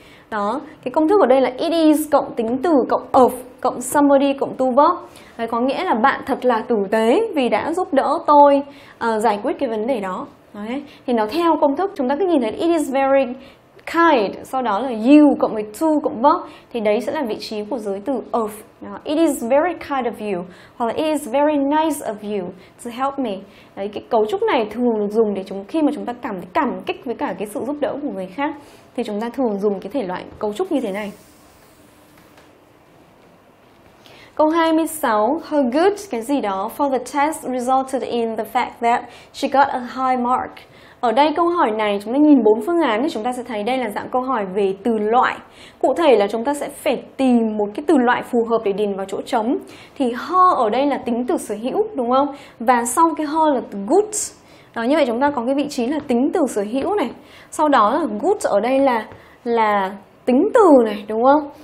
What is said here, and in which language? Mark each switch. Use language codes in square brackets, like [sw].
[vi] Đó, cái công thức ở đây là it is cộng tính từ cộng of cộng somebody cộng to verb. Đấy, có nghĩa là bạn thật là tử tế vì đã giúp đỡ tôi giải quyết cái vấn đề đó. Đấy. Thì nó theo công thức chúng ta cứ nhìn thấy [en] it is very kind, [vi] sau đó là you cộng với to cộng verb, thì đấy sẽ là vị trí của giới từ of. Đó. [en] It is very kind of you, [vi] hoặc là [en] it is very nice of you to help me. [vi] Đấy, cái cấu trúc này thường được dùng để khi mà chúng ta cảm thấy cảm kích với cả cái sự giúp đỡ của người khác thì chúng ta thường dùng cái thể loại cấu trúc như thế này. [en] Câu 26, her good [vi] cái gì đó [en] for the test resulted in the fact that she got a high mark. [vi] Ở đây câu hỏi này chúng ta nhìn bốn phương án thì chúng ta sẽ thấy đây là dạng câu hỏi về từ loại. Cụ thể là chúng ta sẽ phải tìm một cái từ loại phù hợp để điền vào chỗ trống. Thì her ở đây là tính từ sở hữu, đúng không? Và sau cái her là từ good. Đó, như vậy chúng ta có cái vị trí là tính từ sở hữu này. Sau đó là good ở đây là tính từ này, đúng không?